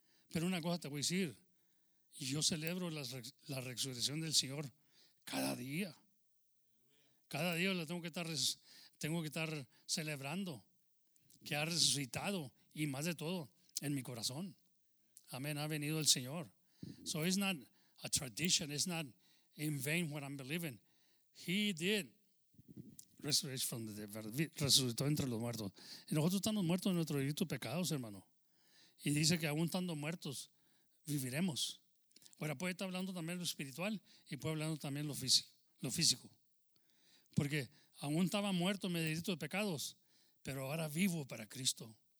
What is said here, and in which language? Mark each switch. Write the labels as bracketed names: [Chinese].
[Spanish] Pero una cosa te voy a decir, yo celebro la resurrección del Señor cada día. Cada día la tengo que estar celebrando que ha resucitado y más de todo en mi corazón. Amén, ha venido el Señor. [English] So it's not a tradition, it's not in vain what I'm believing. He did resurrect from the dead, [Spanish] resucitó entre los muertos. Y nosotros estamos muertos en nuestros delitos y pecados, hermano. Y dice que aún estando muertos, viviremos. Ahora puede estar hablando también lo espiritual y puede hablando también lo físico. Porque aún estaba muerto en mi delito de pecados, pero ahora vivo para Cristo.